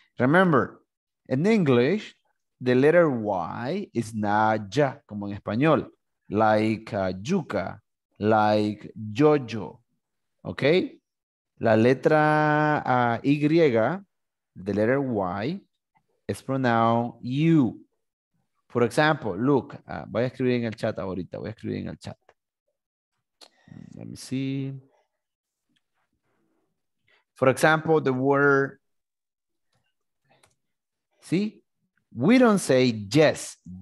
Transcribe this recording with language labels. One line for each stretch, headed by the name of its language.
English: Remember, in English, the letter Y is not ya,
Spanish: como en español.
English: Like yuca, like yo-yo, okay?
Spanish: La letra Y,
English: the letter Y, is pronounced you. For example, look,
Spanish: voy a escribir en el chat ahorita, voy a escribir en el chat.
English: Let me see. For example, the word, see, we don't say yes.